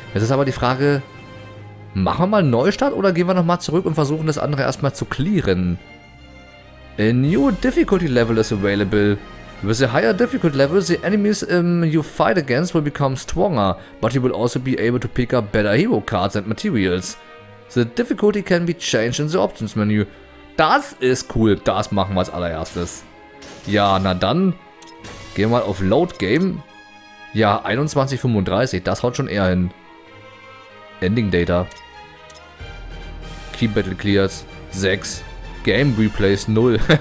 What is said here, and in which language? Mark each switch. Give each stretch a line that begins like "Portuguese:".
German: Jetzt ist aber die Frage, machen wir mal einen Neustart oder gehen wir nochmal zurück und versuchen das andere erstmal zu clearen?
English: A new difficulty level is available. With the higher difficulty level, the enemies you fight against will become stronger, but you will also be able to pick up better hero cards and materials. The difficulty can be changed in the options menu.
German: Das ist cool, das machen wir als allererstes. Ja, na dann, gehen wir mal auf Load Game. Ja, 21.35, das haut schon eher hin. Ending Data.
English: Key Battle Cleared, 6. Game Replays, 0.